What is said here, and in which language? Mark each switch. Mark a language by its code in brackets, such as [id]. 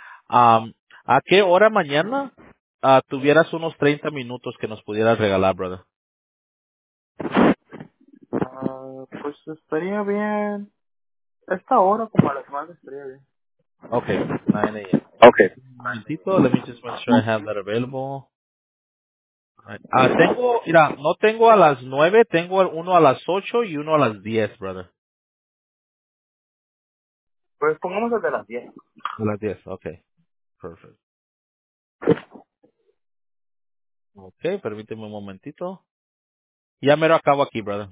[es] ¿A qué hora mañana tuvieras unos 30 minutos que nos pudieras regalar, brother? Pues estaría bien. Esta hora como a la semana estaría bien. Okay, 9 a.m. Okay. [en] Momentito, let me just make sure I have that available. Right. [es] Tengo, mira, no tengo a las 9, tengo uno a las 8 y uno a las 10, brother. Pues pongamos el de las 10. De las 10, okay. Perfect. Okay, permíteme un momentito. Ya mero acabo aquí, brother.